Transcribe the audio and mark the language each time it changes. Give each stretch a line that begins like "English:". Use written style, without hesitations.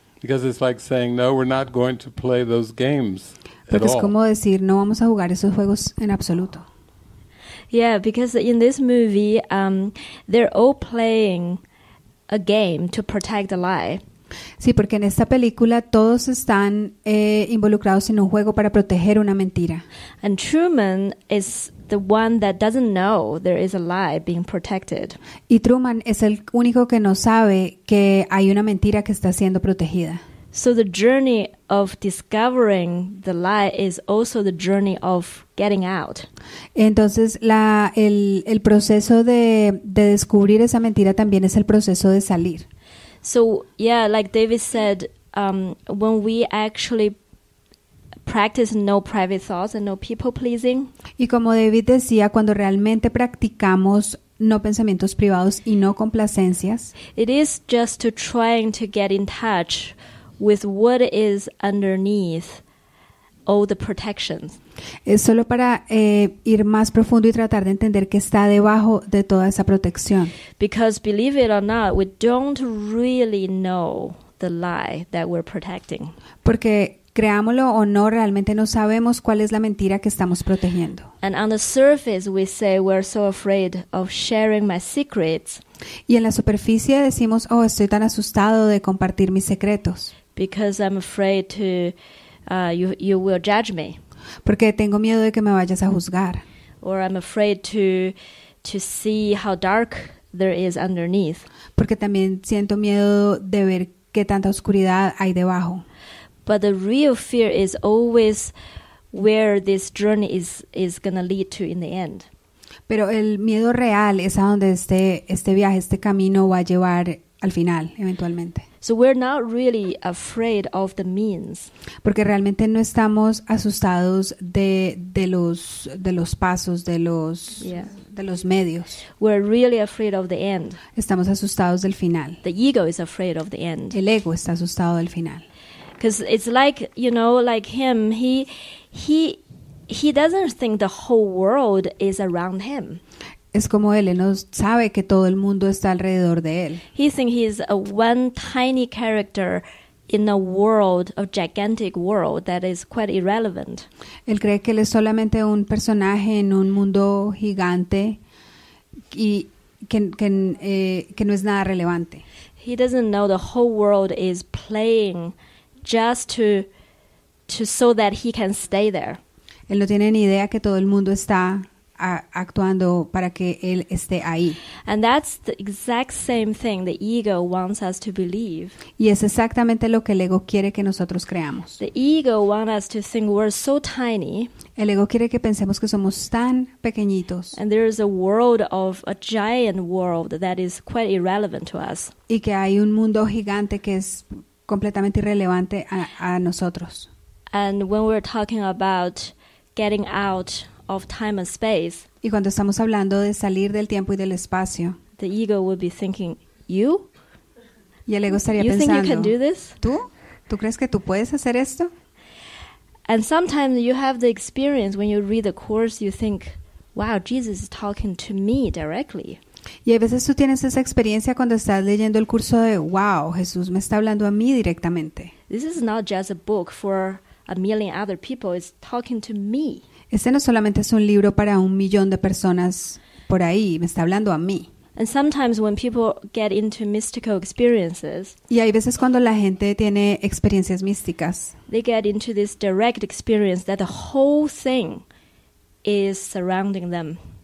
English: Because it's like saying no, we're not going to play those games at all.
Spanish: Es como decir no vamos a jugar esos juegos en absoluto.
English: Yeah, because in this movie, they're all playing a game to protect the lie.
Spanish: Sí, porque en esta película todos están involucrados en un juego para proteger una mentira.
English: And Truman is the one that doesn't know there is a lie being protected.
Spanish: Y Truman es el único que no sabe que hay una mentira que está siendo protegida.
English: So the journey of discovering the lie is also the journey of getting out.
Spanish: Entonces el proceso de descubrir esa mentira también es el proceso de salir.
English: So yeah, like David said, when we actually practice no private thoughts and no people pleasing.
Spanish: Y como David decía, cuando realmente practicamos no pensamientos privados y no complacencias,
English: it is just to trying to get in touch with what is underneath all the protections.
Spanish: Es solo para ir más profundo y tratar de entender qué está debajo de toda esa protección.
English: Because believe it or not, we don't really know the lie that we're protecting.
Spanish: Porque creámoslo o no, realmente no sabemos cuál es la mentira que estamos protegiendo.
English: And on the surface we say we're so afraid of sharing my secrets.
Spanish: Y en la superficie decimos, oh, estoy tan asustado de compartir mis secretos.
English: Because I'm afraid to you will judge me.
Spanish: Porque tengo miedo de que me vayas a juzgar.
English: Or I'm afraid to see how dark there is underneath.
Spanish: Porque también siento miedo de ver qué tanta oscuridad hay debajo.
English: But the real fear is always where this journey is going to lead to in the end.
Spanish: Pero el miedo real es a donde este viaje, este camino va a llevar al final, eventualmente.
English: So we're not really afraid of the means.
Spanish: Porque realmente no estamos asustados de los pasos, de los medios.
English: We're really afraid of the end.
Spanish: Estamos asustados del final.
English: The ego is afraid of the end.
Spanish: El ego está asustado del final.
English: Because it's like, you know, like him, he doesn't think the whole world is around him.
Spanish: Es como él no sabe que todo el mundo está alrededor de él.
English: He thinks he's a one tiny character in a world, a gigantic world that is quite irrelevant.
Spanish: Él cree que él es solamente un personaje en un mundo gigante y que no es nada relevante.
English: He doesn't know the whole world is playing just to so that he can stay there.
Spanish: Él no tiene ni idea que todo el mundo está actuando para que él esté ahí.
English: And that's the exact same thing the ego wants us to believe.
Spanish: Y es exactamente lo que el ego quiere que nosotros creamos.
English: The ego wants us to think we're so tiny.
Spanish: El ego quiere que pensemos que somos tan pequeñitos.
English: And there is a world of a giant world that is quite irrelevant to us.
Spanish: Y que hay un mundo gigante que es completamente irrelevante a nosotros.
English: And when we're talking about getting out of time and space.
Spanish: Y cuando estamos hablando de salir del tiempo y del espacio.
English: The ego would be thinking, you?
Spanish: Y el ego estaría pensando.
English: You think you can do this?
Spanish: ¿Tú? ¿Tú crees que tú puedes hacer esto?
English: And sometimes you have the experience when you read the course, you think, wow, Jesus is talking to me directly.
Spanish: Y a veces tú tienes esa experiencia cuando estás leyendo el curso de, wow, Jesús me está hablando a mí directamente.
English: This is not just a book for a million other people is talking to me.
Spanish: Este no solamente es un libro para un millón de personas por ahí, me está hablando a mí.
English: And sometimes when people get into mystical experiences,
Spanish: y hay veces cuando la gente tiene experiencias místicas,
English: they get into this direct experience that the whole thing is surrounding them.